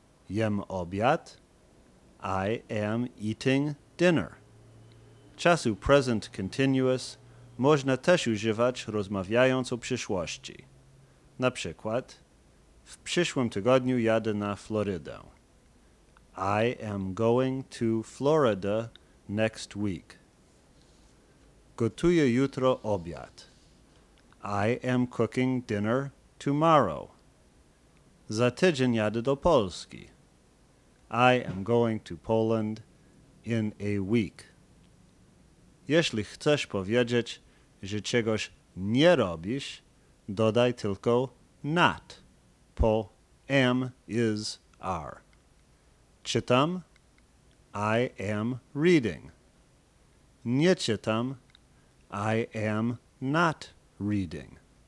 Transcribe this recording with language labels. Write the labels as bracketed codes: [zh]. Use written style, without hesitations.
[pl] Jem obiad. [en] I am eating dinner. [pl] Czasu present continuous można też używać, rozmawiając o przyszłości. Na przykład, w przyszłym tygodniu jadę na Florydę. [en] I am going to Florida next week. [pl] Gotuję jutro obiad. [en] I am cooking dinner tomorrow. [pl] Za tydzień jadę do Polski. [en] I am going to Poland in a week. [pl] Jeśli chcesz powiedzieć, że czegoś nie robisz, dodaj tylko not po am, is, are. Czytam, [en] I am reading. [pl] Nie czytam, [en] I am not reading.